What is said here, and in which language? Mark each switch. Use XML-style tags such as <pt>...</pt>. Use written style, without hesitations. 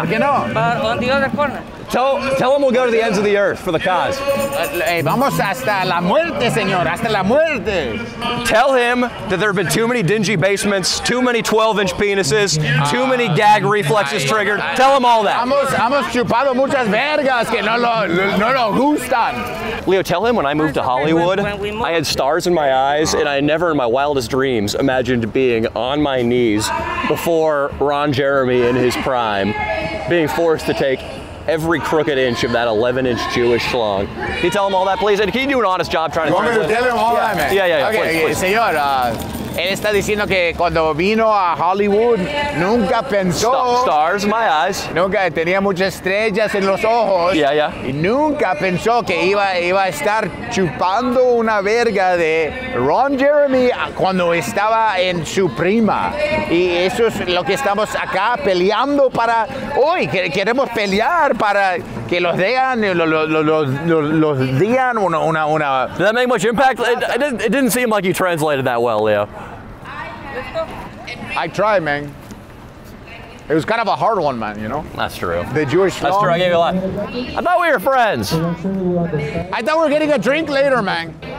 <es>¿Por qué no?</es> <en>On the other corner. Tell them we'll go to the ends of the earth for the cause.</en> <es>Hey, vamos hasta la muerte, señor. Hasta la muerte.</es> <en>Tell him that there have been too many dingy basements, too many 12-inch penises, too many gag reflexes triggered. Tell him all that.</en> <es>Hemos chupado muchas vergas que no lo gustan.</es> <en>Leo, tell him when I moved to Hollywood, I had stars in my eyes, and I never in my wildest dreams imagined being on my knees before Ron Jeremy in his prime, being forced to take every crooked inch of that 11-inch Jewish schlong. Can you tell him all that, please? And can you do an honest job trying to translate? Tell him all that, man. Yeah. Okay, please.</en> <es>Señor, él está diciendo que cuando vino a Hollywood, nunca pensó...</es> <en>Stars in my eyes.</en> <es>Nunca tenía muchas estrellas en los ojos.</es> <en>Yeah.</en> <es>Y nunca pensó que iba a estar chupando una verga de Ron Jeremy cuando estaba en su prima. Y eso es lo que estamos acá peleando para hoy. Queremos pelear para que los vean, los digan una...</es> <en>Did that make much impact? It didn't seem like you translated that well, Leo. I tried, man. It was kind of a hard one, man, you know? That's true. The Jewish That's song. True, I gave you a lot. I thought we were friends. I thought we were getting a drink later, man.</en>